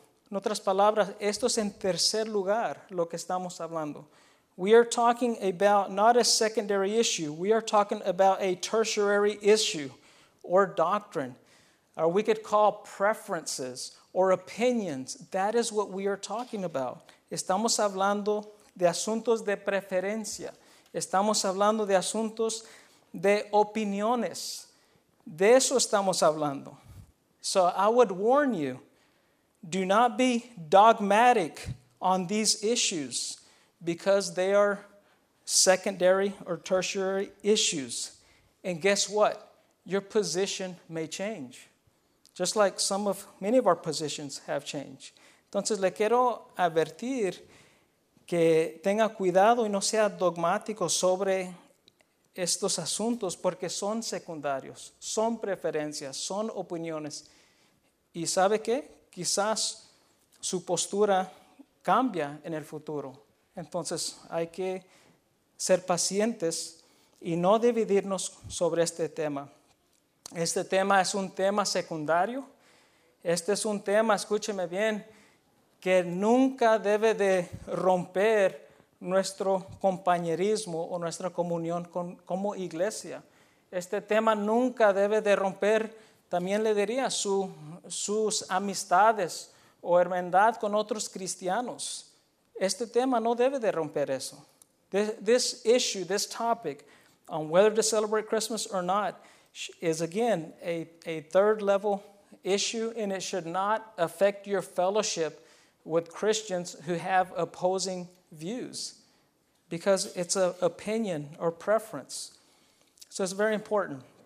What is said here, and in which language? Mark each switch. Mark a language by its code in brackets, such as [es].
[es] En otras palabras, esto es en tercer lugar lo que estamos hablando. [en] We are talking about not a secondary issue. We are talking about a tertiary issue or doctrine. Or we could call preferences or opinions. That is what we are talking about. [es] Estamos hablando de asuntos de preferencia. Estamos hablando de asuntos de opiniones. De eso estamos hablando. [en] So I would warn you, do not be dogmatic on these issues because they are secondary or tertiary issues. And guess what? Your position may change. Just like many of our positions have changed. [es] Entonces, le quiero advertir que tenga cuidado y no sea dogmático sobre estos asuntos porque son secundarios, son preferencias, son opiniones. ¿Y sabe qué? Quizás su postura cambia en el futuro. Entonces, hay que ser pacientes y no dividirnos sobre este tema. Este tema es un tema secundario. Este es un tema, escúcheme bien, que nunca debe de romper nuestro compañerismo o nuestra comunión como iglesia. Este tema nunca debe de romper, también le diría, sus amistades o hermandad con otros cristianos. Este tema no debe de romper eso. [en] This topic, on whether to celebrate Christmas or not, is again a third level issue, and it should not affect your fellowship with Christians who have opposing views because it's an opinion or preference. So it's very important.